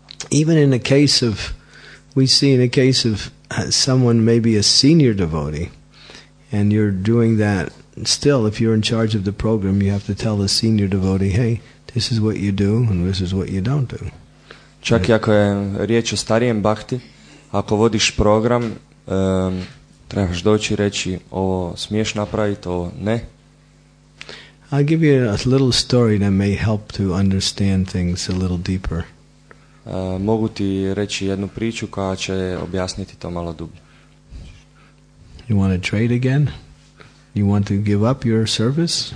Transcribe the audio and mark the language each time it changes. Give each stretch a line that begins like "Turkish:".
English: Even in a case of, we see in a case of someone maybe a senior devotee, and you're doing that still, if you're in charge of the program, you have to tell the senior devotee, hey, this is what you do and this is what you don't do.
Croatian: Čak i ako je riječ o starijem bhakti, ako vodiš program, trebaš doći i reći ovo smiješ napraviti, ovo ne.
English: I'll give you a little story that may help to understand things a little deeper.
Croatian: Mogu ti reći jednu priču koja će objasniti to malo dublje.
English: You want to trade again? You want to give up your service?